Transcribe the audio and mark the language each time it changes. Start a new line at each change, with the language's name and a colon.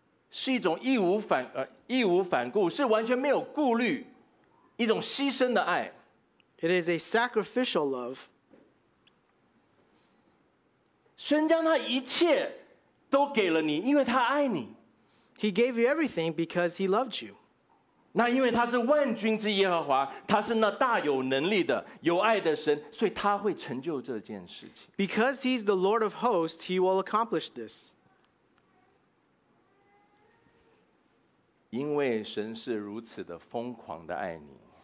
Chinese: 是一种义无反顾，是完全没有顾虑，一种牺牲的爱。
English: It is a sacrificial love.
Chinese: 神将他一切都给了你，因为他爱你。
English: He gave you everything because he loved you.
Chinese: 那因为他是万军之耶和华，他是那大有能力的、有爱的神，所以他会成就这件事情。
English: Because he's the Lord of hosts, he will accomplish this.
Chinese: 因为神是如此的疯狂的爱你。